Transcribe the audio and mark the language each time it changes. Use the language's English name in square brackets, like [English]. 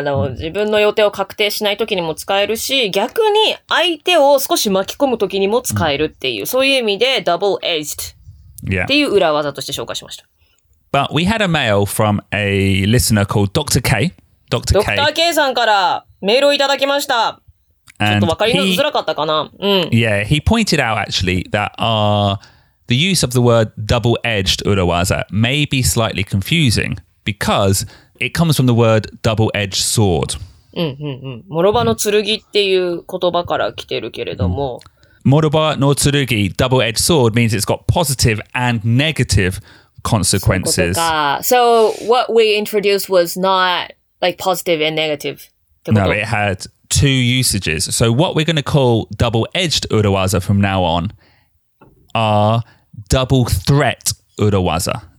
[Japanese] 自分の予定を確定しないときにも使えるし、逆に相手を少し巻き込むときにも使えるっていう、そういう意味で double-edged っていう裏技として紹介しました。 [English] But we had a mail from a listener called Dr. K. [Japanese] ドクター K さんからメールをいただきました。And、ちょっとわかりづらかったかな。 [English] Yeah, he pointed out actually that the use of the word double-edged urawaza may be slightly confusing because it comes from the word double-edged sword. [Japanese] もろ刃の剣っていう言葉から来てるけれども。 Moroba no tsurugi, [English] double-edged sword, means it's got positive and negative consequences. So what we introduced was not like positive and negative. No, it had two usages. So what we're going to call double-edged urawaza from now on are double-threat urawaza.